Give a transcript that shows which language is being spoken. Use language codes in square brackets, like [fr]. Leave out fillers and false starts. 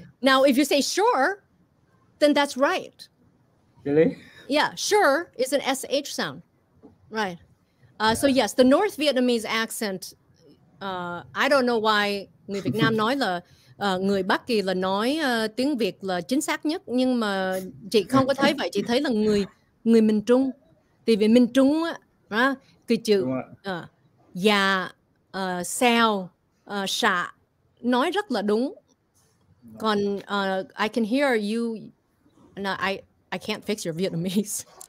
[en] Now, if you say sure, then that's right. Really? Yeah, sure is an SH sound. Right. Yeah. So yes, the North Vietnamese accent, I don't know why [vi] người Việt Nam nói là người Bắc Kỳ là nói tiếng Việt là chính xác nhất, nhưng mà chị không có thấy vậy, chị thấy là người miền Trung. Tại vì miền Trung á, cái chữ già, xèo, xạ nói rất là đúng. Còn [en] I can hear you, no, I can't fix your Vietnamese.